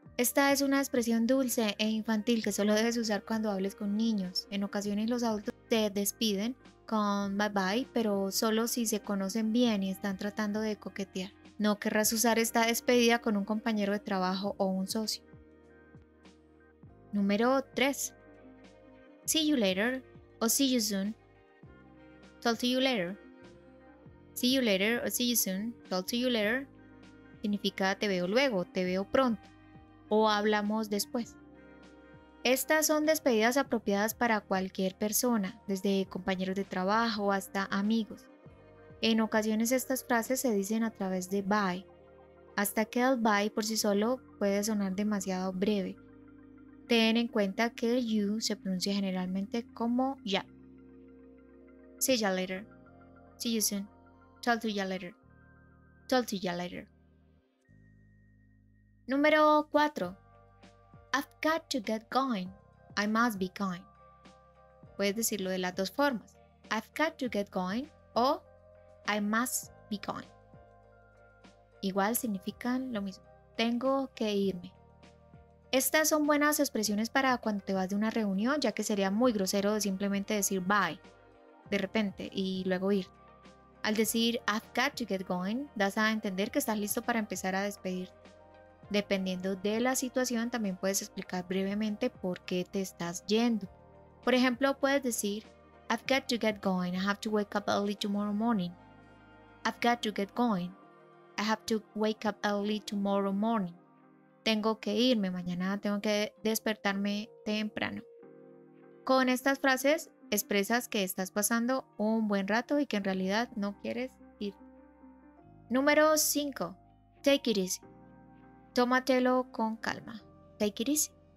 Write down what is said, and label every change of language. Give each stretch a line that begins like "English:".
Spanish: Esta es una expresión dulce e infantil que solo debes usar cuando hables con niños. En ocasiones los adultos te despiden con
English: bye bye,
Spanish: pero solo si se conocen bien y están tratando de coquetear. No querrás usar esta despedida con un compañero de trabajo o un socio. Número 3.
English: See you later o see you soon. Talk to you later. See you later o see you soon. Talk to you later.
Spanish: Significa te veo luego, te veo pronto o hablamos después. Estas son despedidas apropiadas para cualquier persona, desde compañeros de trabajo hasta amigos. En ocasiones estas frases se dicen a través de bye. Hasta que el bye por sí solo puede sonar demasiado breve. Ten en cuenta que el you se pronuncia generalmente como ya.
English: See ya later. See you soon. Talk to ya later. Talk to ya later.
Spanish: Número 4.
English: I've got to get going. I must be going.
Spanish: Puedes decirlo de las dos formas.
English: I've got to get going o I must be going.
Spanish: Igual significan lo mismo. Tengo que irme. Estas son buenas expresiones para cuando te vas de una reunión, ya que sería muy grosero simplemente decir bye de repente y luego ir. Al decir
English: I've got to get going,
Spanish: das a entender que estás listo para empezar a despedirte. Dependiendo de la situación, también puedes explicar brevemente por qué te estás yendo. Por ejemplo, puedes decir,
English: I've got to get going. I have to wake up early tomorrow morning. I've got to get going. I have to wake up early tomorrow morning.
Spanish: Tengo que irme mañana. Tengo que despertarme temprano. Con estas frases, expresas que estás pasando un buen rato y que en realidad no quieres ir. Número 5.
English: Take it easy.
Spanish: Tómatelo con calma.
English: Take it easy.